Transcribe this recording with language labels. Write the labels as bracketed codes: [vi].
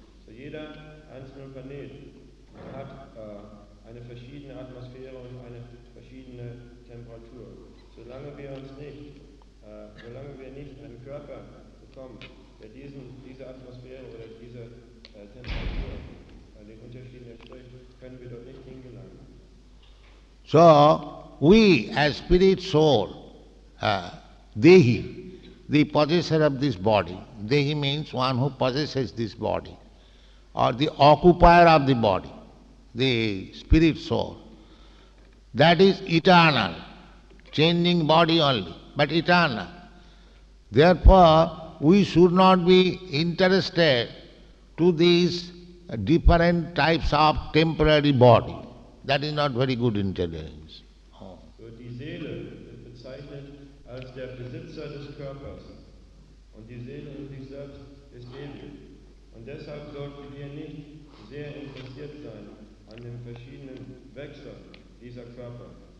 [de] So jeder einzelne Planet hat eine verschiedene Atmosphäre und eine verschiedene Temperatur. Solange wir uns nicht solange wir nicht einen Körper bekommen, der diese Atmosphäre oder diese Temperatur den Unterschieden entspricht, können wir dort nicht hingelangen. [en] So, we as spirit soul, Dehi, the possessor of this body, Dehi means one who possesses this body, or the occupier of the body, the spirit soul, that is eternal, changing body only. but eternal. Therefore, we should not be interested to these different types of temporary body. That is not very good intelligence. [de] So die Seele wird bezeichnet als der Besitzer des Körpers. Und die Seele in sich selbst ist ewig. Und deshalb sollten wir nicht sehr interessiert sein an den verschiedenen Wechseln dieser Körper.